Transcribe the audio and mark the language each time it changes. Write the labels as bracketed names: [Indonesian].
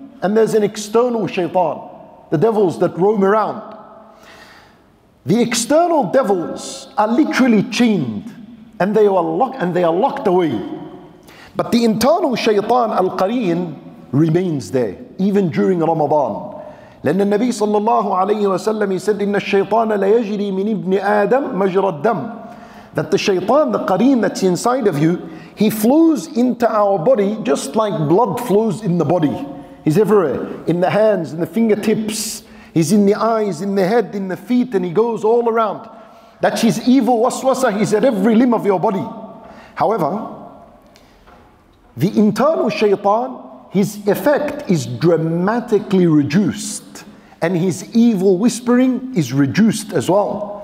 [English] And there's an external shaytan, the devils that roam around. The external devils are literally chained and they are locked away. But the internal shaytan, Al-Qareen, remains there even during Ramadan. [Arabic] لأن النبي صلى الله عليه وسلم [English] said, [Arabic] إن الشيطان ليجري من ابن آدم مجرى الدم. [English] That the shaytan, the qareen that's inside of you, he flows into our body just like blood flows in the body. He's everywhere, in the hands, in the fingertips, he's in the eyes, in the head, in the feet, and he goes all around. That's his evil waswasa, he's at every limb of your body. However, the internal shaytan, his effect is dramatically reduced, and his evil whispering is reduced as well.